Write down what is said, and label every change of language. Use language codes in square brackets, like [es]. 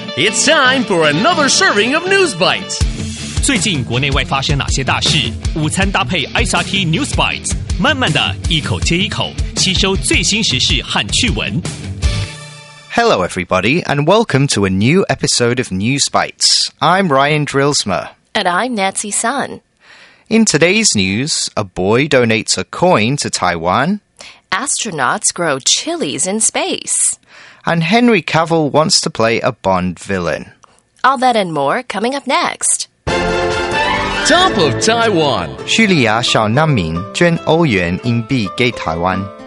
[en] It's time for another serving of News Bites. [zh] 最近国内外发生哪些大事？午餐搭配 SRT News Bites， 慢慢的一口接一口，吸收最新时事和趣闻。 [en] Hello, everybody, and welcome to a new episode of News Bites. I'm Ryan Drilsma. And I'm Nancy Sun. In today's news, a boy donates a coin to Taiwan. Astronauts grow chilies in space. And Henry Cavill wants to play a Bond villain. All that and more coming up next. Top of Taiwan. [zh] 叙利亚小难民捐欧元硬币给台湾。